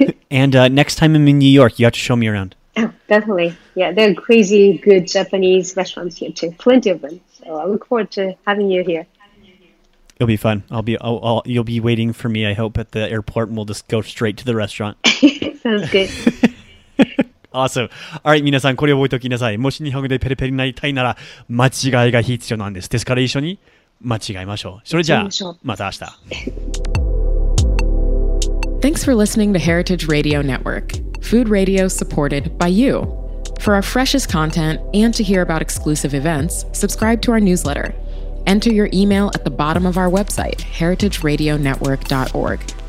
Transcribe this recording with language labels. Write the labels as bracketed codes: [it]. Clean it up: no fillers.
[en] And next time I'm in New York, you have to show me around. Oh, definitely. Yeah, there are crazy good Japanese restaurants here too. Plenty of them. So I look forward to having you here. It'll be fun. You'll be waiting for me, I hope, at the airport, and we'll just go straight to the restaurant. Sounds good. Awesome. All right, [ja] 皆さん、これを覚えておきなさい。もし日本語でペリペリになりたいなら、間違いが必要なんです。ですから一緒に間違いましょう。それじゃあ、また明日。 [en] Thanks for listening to Heritage Radio Network, food radio supported by you. For our freshest content and to hear about exclusive events, subscribe to our newsletter. Enter your email at the bottom of our website, heritageradionetwork.org.